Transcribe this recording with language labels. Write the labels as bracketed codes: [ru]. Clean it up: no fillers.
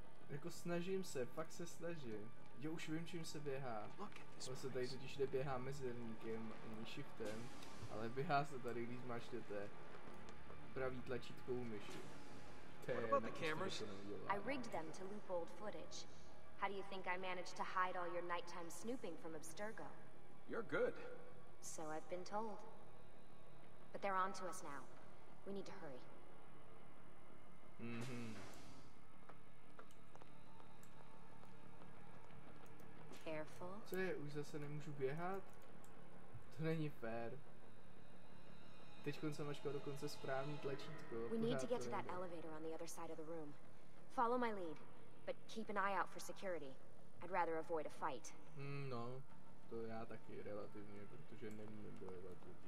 [cs] Jako snažím se, fakt se snažím. Jo, už vím, čím se běhá. On se tady totiž neběhá mezerníkem ani shiftem, ale běhá se tady, když mačtete pravý tlačítko u myši. [en] I rigged them to loop old footage. How do you think I managed to hide all your nighttime snooping from Abstergo? You're good. So I've been told. But they're on to us now. We need to hurry. Mm-hmm. [cs] Co je, už zase nemůžu běhat? To není fér. Teďkon jsem mačkal dokonce správný tlačítko. [en] We need to get to that elevator on the other side of the room. Follow my lead, but keep an eye out for security. I'd rather avoid a fight. [cs] No, to já taky relativně, protože nemůžu bojovat.